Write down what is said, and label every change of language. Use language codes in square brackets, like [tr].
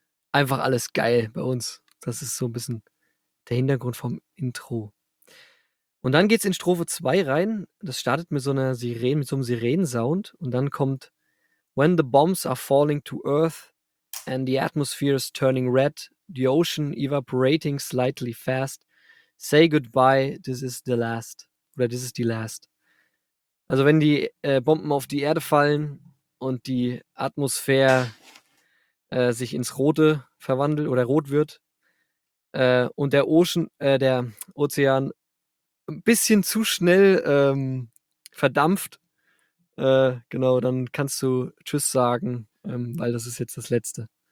[de] Einfach alles geil bei uns. Das ist so ein bisschen der Hintergrund vom Intro. Und dann geht es in Strophe 2 rein, das startet mit so einer Sirene, mit so einem Sirenensound und dann kommt [en] When the bombs are falling to earth, and the atmosphere is turning red, the ocean evaporating slightly fast. Say goodbye, this is the last. [de] Oder [en] this is the last. [de] Also wenn die Bomben auf die Erde fallen und die Atmosphäre sich ins Rote verwandelt oder rot wird und der Ozean ein bisschen zu schnell verdampft, genau, dann kannst du Tschüss sagen, weil das ist jetzt das Letzte.